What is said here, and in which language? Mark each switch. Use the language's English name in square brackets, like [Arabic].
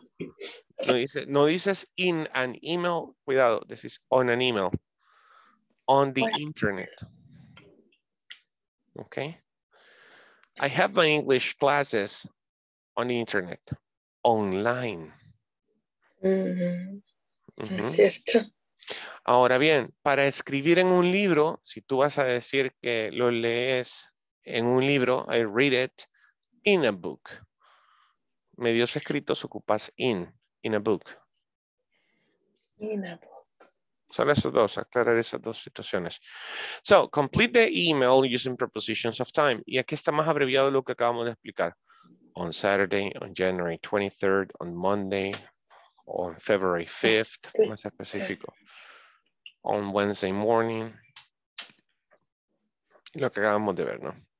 [Spanish] No, dice, no dices [English] in an email, [Spanish] cuidado, [English] this is on an email, on the internet. Okay. I have my English classes on the internet, online. [Spanish] Mm-hmm. Es cierto. Ahora bien, para escribir en un libro, si tú vas a decir que lo lees en un libro, [English] I read it in a book. [Spanish] Medios escritos ocupas [English] in a book. In a book. [Spanish] Solo esos dos, aclarar esas dos situaciones. [English] So, complete the email using prepositions of time. [Spanish] Y aquí está más abreviado lo que acabamos de explicar. [English] On Saturday, on January 23rd, on Monday, on February 5th, [Spanish] más específico. [English] On Wednesday morning. [Spanish] Y lo que acabamos de ver, ¿no?